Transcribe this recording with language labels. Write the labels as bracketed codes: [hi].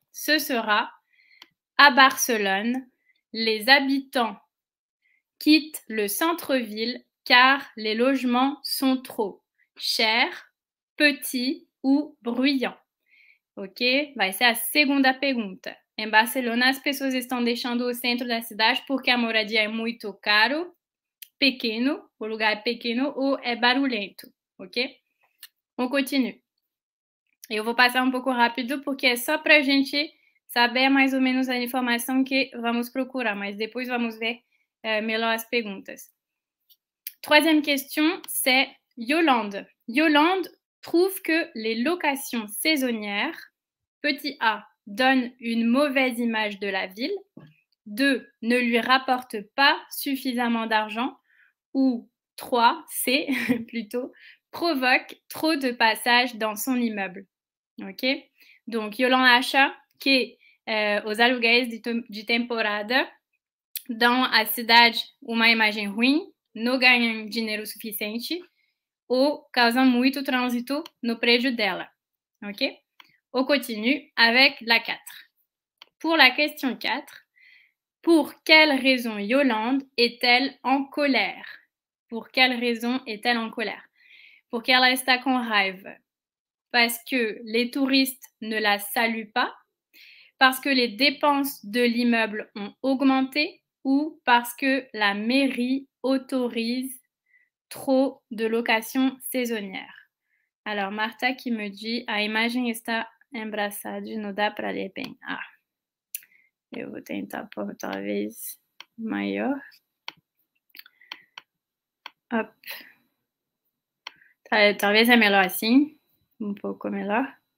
[fr] Ce sera, à Barcelone, les habitants quittent le centre-ville car les logements sont trop chers, petits ou bruyants. [pt] Ok? Vai ser a segunda pergunta. Em Barcelona, as pessoas estão deixando o centro da cidade porque a moradia é muito caro, pequeno, o lugar é pequeno ou é barulhento. Ok? [fr] On continue. [pt] Eu vou passar um pouco rápido porque é só para a gente saber mais ou menos a informação que vamos procurar, mas depois vamos ver melhor as perguntas. [fr] Troisième question, c'est Yolande. Yolande trouve que les locations saisonnières, petit a, donnent une mauvaise image de la ville, 2, ne lui rapportent pas suffisamment d'argent, ou 3, c'est plutôt, provoquent trop de passages dans son immeuble. [pt] Ok, donc Yolanda acha que os aluguéis de temporada dão à cidade uma imagem ruim, não ganham dinheiro suficiente ou causam muito trânsito no prédio dela. [fr] Ok, on continue avec la 4. Pour la question 4, pour quelle raison Yolanda est-elle en colère? Pour quelle raison est-elle en colère? Pour qu'elle reste à con rêve? Parce que les touristes ne la saluent pas, parce que les dépenses de l'immeuble ont augmenté ou parce que la mairie autorise trop de locations saisonnières. Alors, Marta qui me dit [pt] « A imagem está embraçada, não dá para ler bem. » Ah, eu vou tentar por outra vez maior. Hop. Talvez é melhor assim. Um pouco melhor.